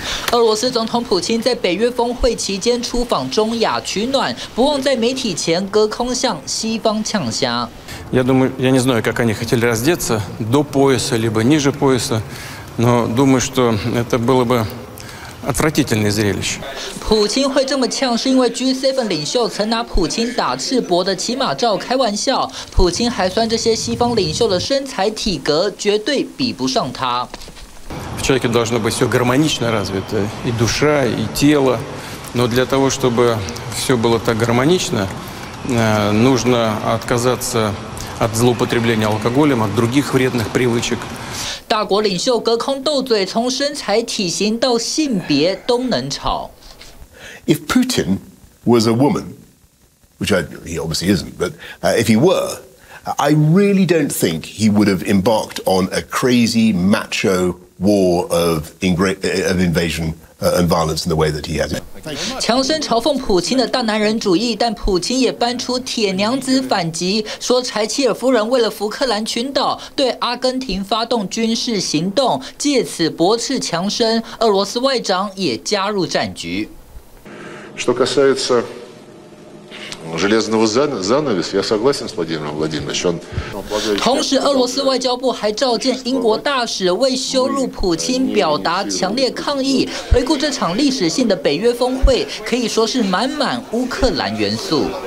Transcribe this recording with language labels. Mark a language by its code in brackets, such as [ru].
[zh] 俄罗斯总统普京在北约峰会期间出访中亚取暖，不忘在媒体前隔空向西方呛虾。 [ru] Я думаю, я не знаю, как они хотели раздеться, до пояса либо ниже пояса, но думаю, что это было бы отвратительное зрелище. [zh] 普京会这么呛，是因为 G7 领袖曾拿普京打赤膊的骑马照开玩笑。普京还算这些西方领袖的身材体格绝对比不上他。 [ru] В человеке должно быть все гармонично развито, и душа, и тело. Но для того, чтобы все было так гармонично, нужно отказаться от злоупотребления алкоголем, от других вредных привычек. [zh] 大国领袖隔空斗嘴，从身材、体型到性别都能吵。 [en] If Putin was a woman, which he obviously isn't, but if he were, I really don't think he would have embarked on a crazy macho war of invasion. And violence in the way that he has it. [zh] 强声嘲讽普京的大男人主义，但普京也搬出铁娘子反击，说柴契尔夫人为了福克兰群岛对阿根廷发动军事行动，借此驳斥强声。俄罗斯外长也加入战局。 [ru] Что касается железного занавеса, я согласен с Владимиром Владимировичем. [zh] 同时，俄罗斯外交部还召见英国大使，为羞辱普京表达强烈抗议。回顾这场历史性的北约峰会，可以说是满满乌克兰元素。